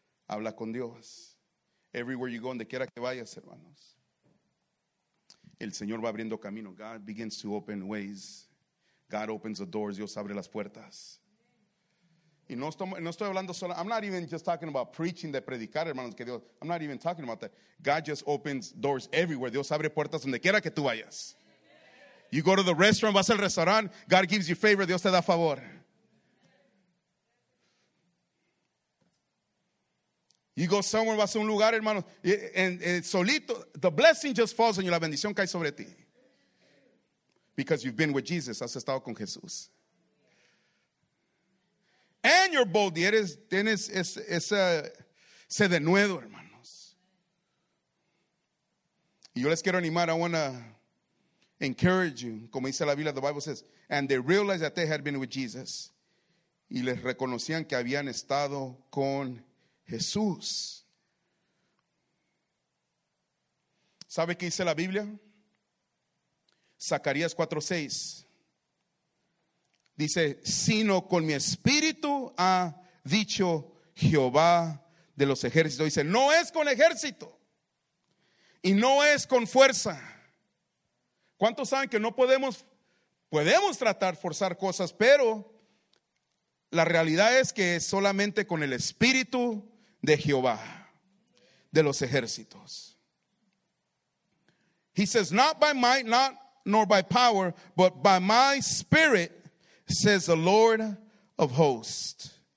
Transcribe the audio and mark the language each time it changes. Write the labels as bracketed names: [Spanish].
[Spanish] Habla con Dios. [English] Everywhere you go, [Spanish] donde quiera que vayas, hermanos. El Señor va abriendo camino. [English] God begins to open ways. God opens the doors. [Spanish] Dios abre las puertas. Y no estoy hablando solo, [English] I'm not even just talking about preaching, [Spanish] de predicar, hermanos, que Dios, [English] I'm not even talking about that. God just opens doors everywhere. [Spanish] Dios abre puertas donde quiera que tú vayas. [English] You go to the restaurant, [Spanish] vas al restaurante, [English] God gives you favor, [Spanish] Dios te da favor. [English] You go somewhere, [Spanish] vas a un lugar, hermanos, [English] and solito, the blessing just falls on you, la bendición cae sobre ti. Because you've been with Jesus, [Spanish] has estado con Jesús. [English] And you're bold. [Spanish] Tienes ese denuedo, hermanos. Y yo les quiero animar. [English] I want to encourage you. [Spanish] Como dice la Biblia, [English] the Bible says, and they realized that they had been with Jesus. [Spanish] Y les reconocían que habían estado con Jesús. ¿Sabe qué dice la Biblia? Zacarías 4:6 dice, sino con mi espíritu ha dicho Jehová de los ejércitos. Dice, no es con ejército y no es con fuerza. ¿Cuántos saben que no podemos tratar forzar cosas? Pero la realidad es que es solamente con el espíritu de Jehová de los ejércitos. [English] He says, not by might, not nor by power, but by my spirit, says the Lord of hosts.